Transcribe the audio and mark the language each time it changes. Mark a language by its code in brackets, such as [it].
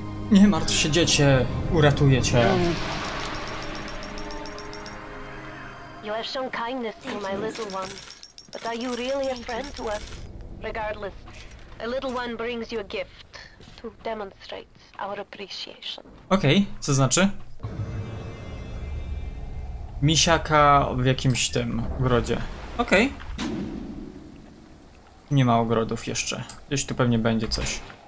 [pl] Nie martw się, dziecię, uratuję cię. [en] You have shown kindness to my little one, but are you really a friend to us? Regardless, a little one brings you a gift to demonstrate our appreciation. [pl] Okej, co znaczy? Misiaka w jakimś tym ogrodzie. Okej. Okay. Nie ma ogrodów jeszcze. Gdzieś tu pewnie będzie coś.